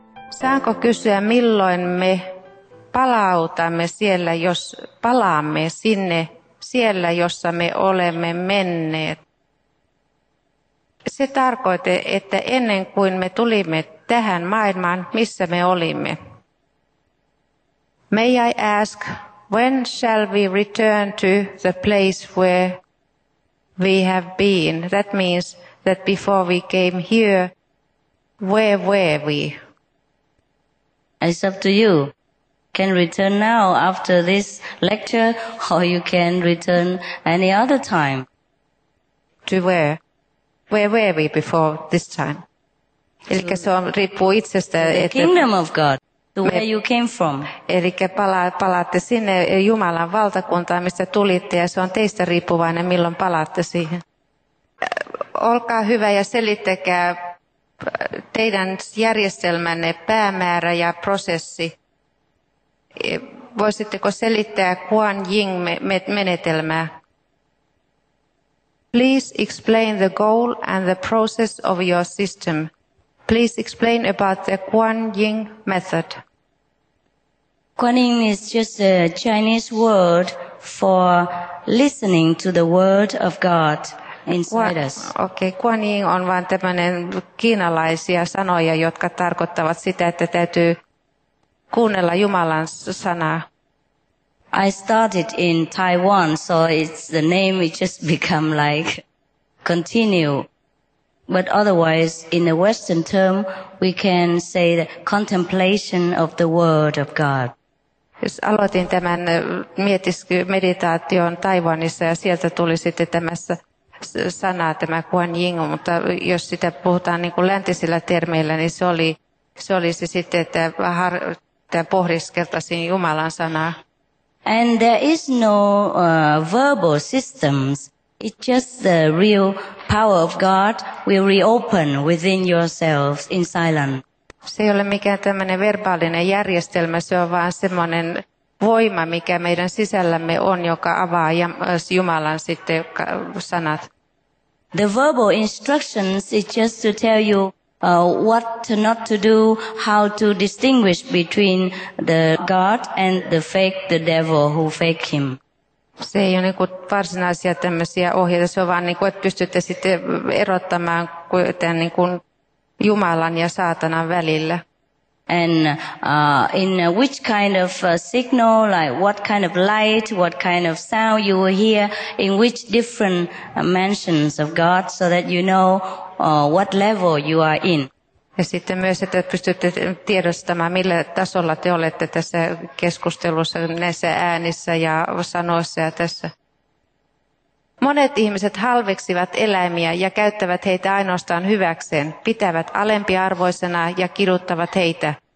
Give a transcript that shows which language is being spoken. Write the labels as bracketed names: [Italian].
[Finnish] Saanko kysyä, milloin me palautamme siellä, jos palaamme sinne, siellä, jossa me olemme menneet? Se tarkoitti, että ennen kuin me tulimme tähän maailmaan, missä me olimme. [English] May I ask, when shall we return to the place where we have been? That means that before we came here, where were we? It's up to you. Can return now after this lecture, or you can return any other time. To where? Where were we before this time? [Finnish] Eli se on, riippuu itsestä. [English] The kingdom of God, where you came from. [Finnish] Eli palaatte sinne Jumalan valtakuntaan, mistä tulitte, ja se on teistä riippuvainen, milloin palaatte siihen. Olkaa hyvä ja selittäkää teidän järjestelmänne päämäärä ja prosessi. Voisitteko selittää Kuan Yin menetelmää? [English] Please explain the goal and the process of your system. Please explain about the Kuan Yin method. Kuan Yin is just a Chinese word for listening to the word of God inside us. [Finnish] Okay, Kuan Yin on vain tämmöinen kiinalaisia sanoja, jotka tarkoittavat sitä, että täytyy kuunnella Jumalan sanaa. [English] I started in Taiwan, so it's the name, it just become like continue. But otherwise, in a Western term, we can say the contemplation of the word of God. [Finnish] Jos aloitin tämän meditaation Taiwanissa, ja sieltä tuli sitten tämä sana, tämä Kuan Yin, mutta jos sitä puhutaan niin kuin läntisillä termeillä, niin se oli se sitten, että pohdiskeltaisiin Jumalan sanaa. [English] And there is no verbal systems. It's just the real power of God will reopen within yourselves in silence. [Finnish] Se ei ole mikään tämmöinen verbaalinen järjestelmä, se on vaan semmoinen voima, mikä meidän sisällämme on, joka avaa Jumalan sitten sanat. [English] The verbal instructions is just to tell you what not to do, how to distinguish between the God and the fake, the devil who fake him. [Finnish] Se ei ole niinku varsinaisia tämmöisiä ohjeita, se on vaan niinku, että pystytte sitten erottamaan tämän niinku Jumalan ja saatanan välillä. [English] And in which kind of signal, like what kind of light, what kind of sound you will hear, in which different mansions of God, so that you know what level you are in. [Finnish] Ja sitten myös, että pystytte tiedostamaan, millä tasolla te olette tässä keskustelussa, näissä äänissä ja sanoissa ja tässä. Monet ihmiset halveksivat eläimiä ja käyttävät heitä ainoastaan hyväkseen, pitävät alempiarvoisena ja kiduttavat heitä.